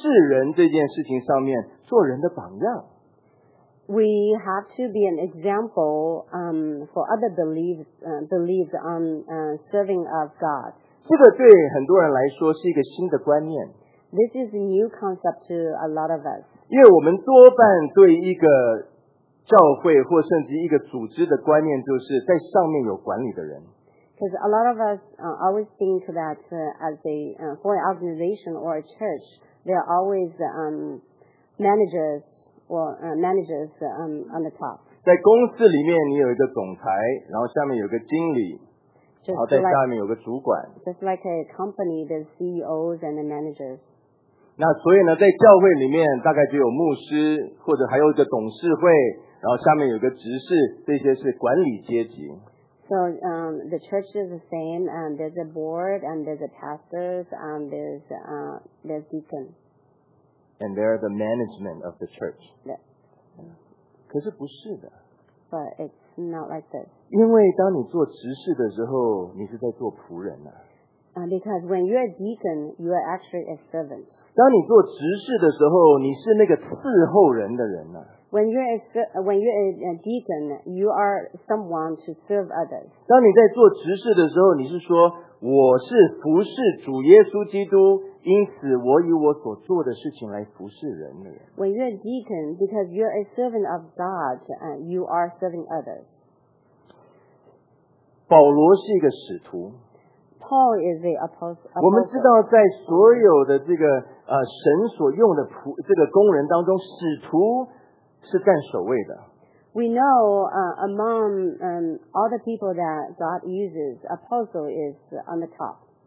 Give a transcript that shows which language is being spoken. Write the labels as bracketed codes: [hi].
[zh] 我们要在做仆人服侍人这件事情上面做人的榜样。 [en] We have to be an example for other believers on serving of God. [zh] 这个对很多人来说是一个新的观念。 [en] This is a new concept to a lot of us. [zh] 因为我们多半对一个教会或甚至一个组织的观念就是在上面有管理的人。 [en] Because a lot of us always think that as a for an organization or a church, there are always managers. Well, managers on the top. [zh] 在公司里面，你有一个总裁， 然后下面有个经理， 然后在下面有个主管。 [en] Just like a company, there's CEOs and the managers. [zh] 那所以呢， 在教会里面， 大概就有牧师， 或者还有一个董事会， 然后下面有个执事， 这些是管理阶级。 [en] So the church is the same, and there's a board, and there's a pastors, and there's deacon. And they're the management of the church. Yeah. [zh] 可是不是的。 [en] But it's not like this. [zh] 因为当你做执事的时候, 你是在做仆人啊。 [en] Because when you're a deacon, you are actually a servant. [zh] 当你做执事的时候, 你是那个伺候人的人啊。 [en] When you're a deacon, you are someone to serve others. [zh] 当你在做执事的时候, 你是说, 我是服侍主耶稣基督, 因此我以我所做的事情来服侍人的人。 [en] When you're a deacon, because you're a servant of God, you are serving others. [zh] 保罗是一个使徒。 [en] Paul is an apostle. [zh] 我们知道在所有的这个, 神所用的仆, 这个工人当中, 使徒是占首位的。 [en] We know among all the people that God uses, apostle is on the top.